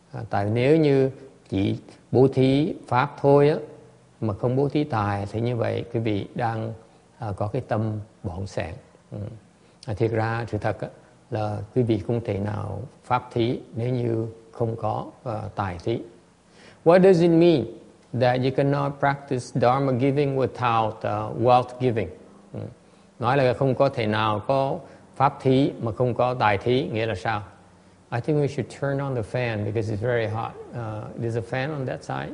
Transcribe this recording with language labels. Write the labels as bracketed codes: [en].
[vi] Tại nếu như chỉ bố thí pháp thôi á, mà không bố thí tài, thì như vậy quý vị đang có cái tâm bỏng sẻn. Thiệt ra sự thật á, là quý vị không thể nào pháp thí nếu như không có tài thí. [en] What does it mean that you cannot practice dharma giving without wealth giving? [vi] Nói là không có thể nào có pháp thí mà không có tài thí, nghĩa là sao? [en] I think we should turn on the fan because it's very hot. There's a fan on that side.